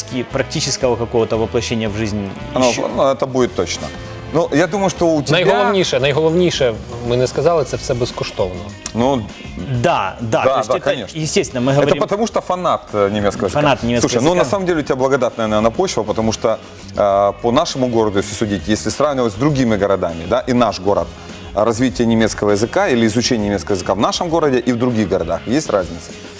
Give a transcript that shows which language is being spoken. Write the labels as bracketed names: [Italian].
[Russian] практического какого-то воплощения в жизнь. Ну, это будет точно. Ну, я думаю, що у тебе... [Ukrainian] Найголовніше, ми не сказали, це все безкоштовно. Ну, [Russian] да, конечно. Естественно, мы говорим... Это потому что фанат немецкого языка. Слушай, ну на самом деле у тебя благодатная, наверное, почва, потому что по нашему городу, если судить, если сравнивать с другими городами, да, и наш город, развитие немецкого языка или изучение немецкого языка в нашем городе и в других городах, есть разница?